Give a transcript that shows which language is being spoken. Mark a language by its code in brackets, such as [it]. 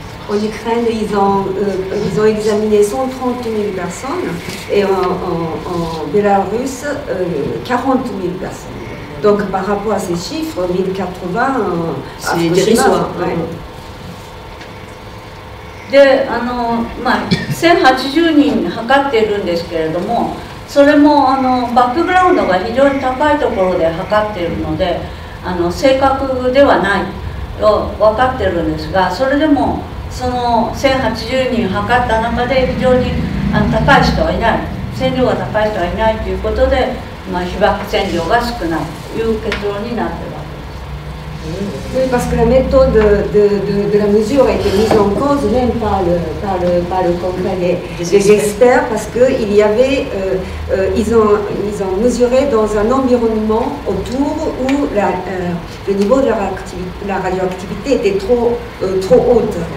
[fr] En Ukraine, ils ont examiné 130 000 personnes et en Bélarus, 40 000 personnes. Donc par rapport à ces chiffres, 1080, c'est dérisoire. Ouais. [ja] で、まあ、1080人測っているんですけれども、それもバックグラウンドが非常に高いところで測っているので、正確ではない。分かってるんですが、それでもその1080人測った中で非常に高い人はいない、線量が高い人はいないということで、まあ、被爆線量が少ないという結論になっているわけです。 [fr] Oui, parce que la méthode de la mesure a été mise en cause même par le congrès des experts, parce qu'il y avait, ils ont mesuré dans un environnement autour où le niveau de la radioactivité était trop haute.